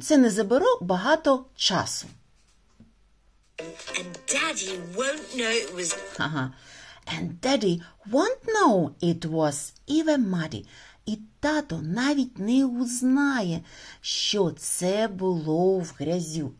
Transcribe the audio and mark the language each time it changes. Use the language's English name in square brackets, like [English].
[Ukrainian] Це не заберу багато часу. [English] And daddy won't know it was... And daddy won't know it was even muddy. [Ukrainian] І тато навіть не узнає, що це було в грязю.